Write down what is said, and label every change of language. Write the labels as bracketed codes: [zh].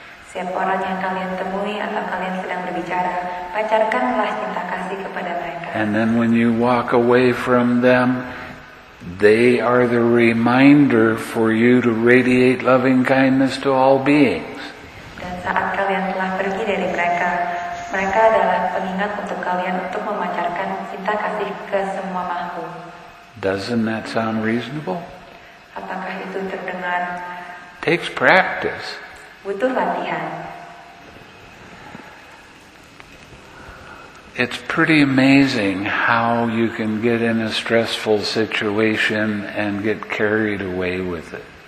[id] Setiap orang yang kalian temui atau kalian sedang berbicara, pancarkanlah cinta kasih kepada mereka. [en] And then when you walk away from them, they are the reminder for you to radiate loving kindness to all beings. [id] Dan saat kalian telah pergi dari mereka, mereka adalah pengingat untuk kalian untuk memancarkan cinta kasih ke semua makhluk. [en] Doesn't that sound reasonable? [id] Apakah itu terdengar? [en] Takes practice. [id] Butuh latihan. [en] It's pretty amazing how you can get in a stressful situation and get carried away with it.